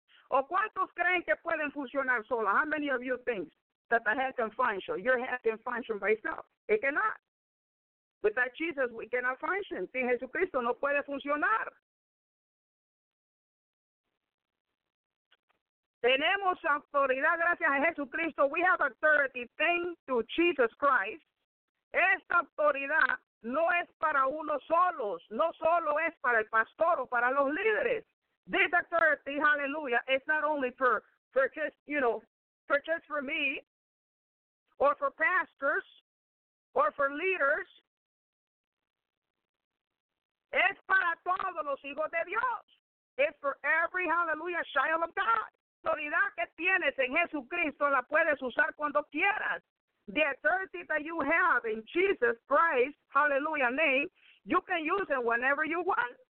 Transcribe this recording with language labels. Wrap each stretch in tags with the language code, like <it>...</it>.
<es>¿O cuántos creen que pueden funcionar sola?</es> <en>How many of you think that the head can function? Your head can function by itself. It cannot. Without Jesus, we cannot function.</en> <es>Sin Jesucristo, no puede funcionar. Tenemos autoridad gracias a Jesucristo.</es> <en>We have authority thanks to Jesus Christ.</en> <es>Esta autoridad no es para uno solos. No solo es para el pastor o para los líderes.</es> <en>This authority, hallelujah, is not only for just for me or for pastors or for leaders.</en> <es>Es para todos los hijos de Dios.</es> <en>It's for every, hallelujah, child of God.</en> <es>La autoridad que tienes en Jesucristo la puedes usar cuando quieras.</es> <en>The authority that you have in Jesus Christ, hallelujah, name, you can use it whenever you want.</en>